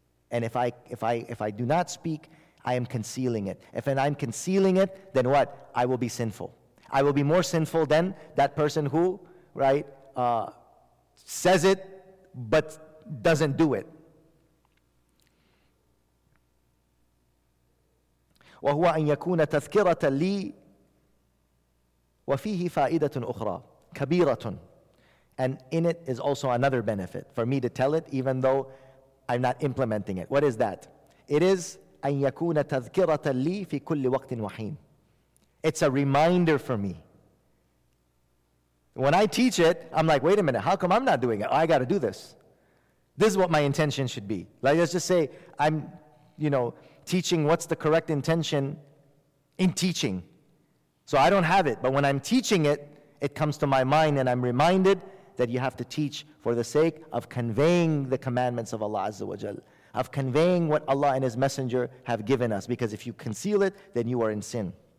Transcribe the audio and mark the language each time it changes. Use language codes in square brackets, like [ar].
[en] And if I do not speak, I am concealing it. If I'm concealing it, then what? I will be sinful. I will be more sinful than that person who, right, says it but doesn't do it. [ar] وهو أن يكون تذكرة لي وفيه فائدة أخرى كبيرة. [en] And in it is also another benefit for me to tell it, even though I'm not implementing it. What is that? It is [ar] أن يكون تذكرة لي في كل وقت وحين. [en] It's a reminder for me. When I teach it, I'm like, wait a minute, how come I'm not doing it? Oh, I got to do this. This is what my intention should be. Like, let's just say I'm, teaching what's the correct intention in teaching. So I don't have it, but when I'm teaching it, it comes to my mind and I'm reminded that you have to teach for the sake of conveying the commandments of Allah Azza wa Jal, of conveying what Allah and His Messenger have given us, because if you conceal it, then you are in sin.